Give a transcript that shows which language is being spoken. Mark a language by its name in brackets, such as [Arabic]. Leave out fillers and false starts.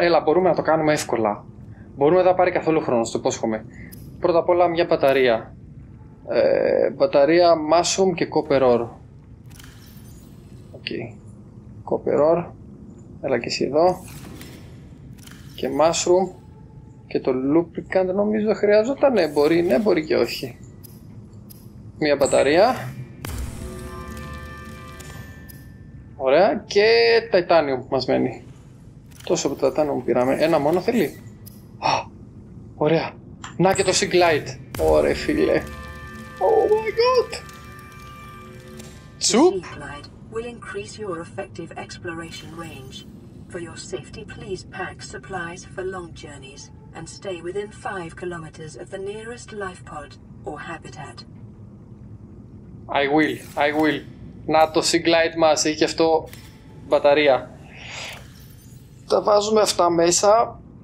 [Greek] Έλα, μπορούμε να το κάνουμε εύκολα. Μπορούμε να πάρει καθόλου χρόνο, στο υπόσχομαι. Πρώτα απ' όλα μια μπαταρία. Μπαταρία mushroom και copper ore. Okay. Copper ore. Έλα και εσύ εδώ. Και mushroom. Και το lubricant νομίζω χρειάζονταν. Ναι, μπορεί και όχι. Μια μπαταρία. Ωραία, και titanium που μας μένει. Τόσο από το titanium πήραμε. Ένα μόνο θέλει. Α, ωραία. Να και το sync light. Ωραία, φίλε. [English] Oh my god. [Greek] Τσουπ. [English] Will increase your effective exploration range. For your safety, please pack supplies for long journeys and stay within 5 kilometers of the nearest life pod or habitat. I will. [Greek] Να το sync light μας, έχει και αυτό μπαταρία. Τα βάζουμε αυτά μέσα.